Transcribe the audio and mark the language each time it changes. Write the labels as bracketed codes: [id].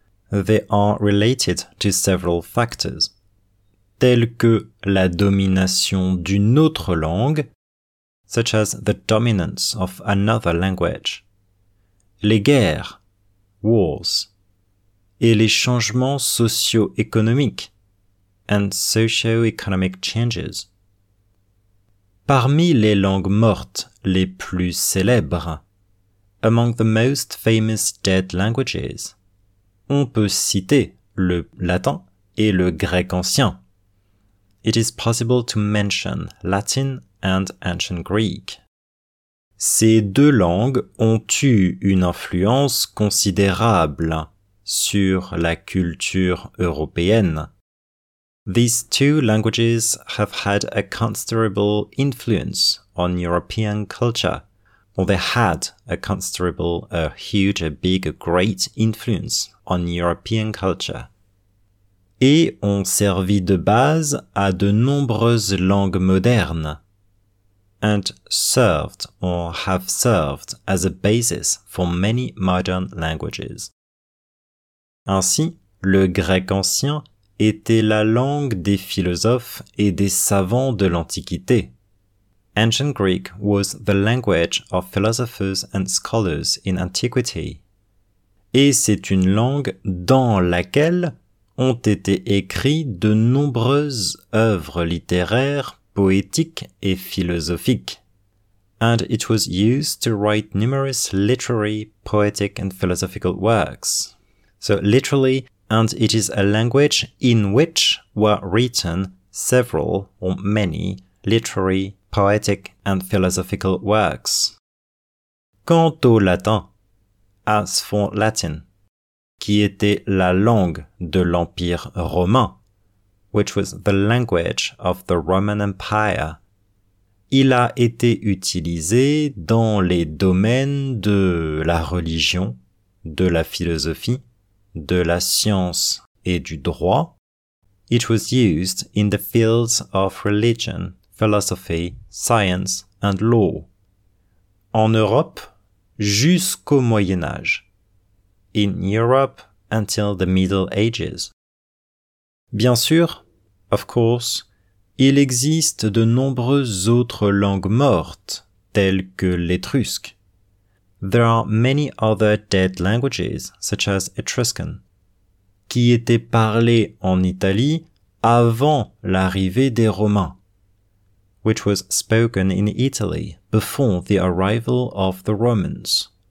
[en] They are related to several factors, [fr] tels que la domination d'une autre langue, [en] such as the dominance of another language, [fr] les guerres, [en] wars, [fr] et les changements socio-économiques [en] and socio-economic changes. [fr] Parmi les langues mortes les plus célèbres, [en] among the most famous dead languages, [fr] on peut citer le latin et le grec ancien. [en] It is possible to mention Latin and ancient Greek. [fr] Ces deux langues ont eu une influence considérable sur la culture européenne. [en] These two languages have had a considerable influence on European culture. Well, they had a considerable, a huge, a big, a great influence on European culture. [fr] Et ont servi de base à de nombreuses langues modernes. [en] And served or have served as a basis for many modern languages. [fr] Ainsi, le grec ancien était la langue des philosophes et des savants de l'Antiquité. [en] Ancient Greek was the language of philosophers and scholars in antiquity. [fr] Et c'est une langue dans laquelle ont été écrites de nombreuses œuvres littéraires, poétiques et philosophiques. [en] And it was used to write numerous literary, poetic and philosophical works. So literally, and it is a language in which were written several or many literary, poetic and philosophical works. [fr] Quant au latin, [en] as for Latin, [fr] qui était la langue de l'Empire romain, [en] which was the language of the Roman Empire, [fr] il a été utilisé dans les domaines de la religion, de la philosophie, de la science et du droit. [en] It was used in the fields of religion, philosophy, science and law. [fr] En Europe, jusqu'au Moyen Âge. [en] In Europe, until the Middle Ages. [fr] Bien sûr, [en] of course, [fr] il existe de nombreuses autres langues mortes, telles que l'étrusque. [en] There are many other dead languages, such as Etruscan, [fr] qui étaient parlées en Italie avant l'arrivée des Romains, [en] which was spoken in Italy before the arrival of the Romans.